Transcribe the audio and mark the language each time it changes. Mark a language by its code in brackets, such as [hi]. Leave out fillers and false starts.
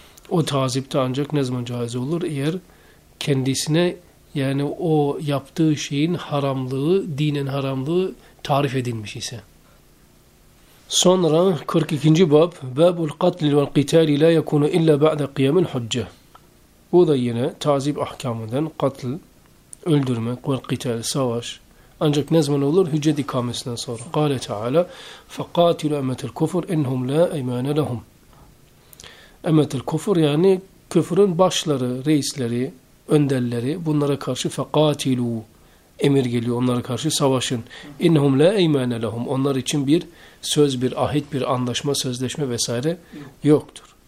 [tr] O tazipte ancak ne zaman caiz olur? Eğer kendisine yani o yaptığı şeyin haramlığı, dinen haramlığı tarif edilmiş ise. Sonra 42. bab, [ar] babul katlil vel qitali la yekunu illa ba'de qiyamil hucce. [tr] Bu da yine tazip ahkamından, katl, öldürmek [ar] vel qitali, [tr] savaş. Ancak ne zaman olur? Hüccet ikamesinden sonra. [ar] Kale Teala, فَقَاتِلُ اَمَّةِ الْكُفُرِ اِنْهُمْ لَا اَيْمَانَ لَهُمْ. اَمَّةِ الْكُفُرِ [tr] yani küfrün başları, reisleri, önderleri, bunlara karşı فَقَاتِلُوا emir geliyor, onlara karşı savaşın. [ar] اِنْهُمْ لَا اَيْمَانَ لَهُمْ. [tr] Onlar için bir söz, bir ahit, bir anlaşma, sözleşme vesaire yoktur.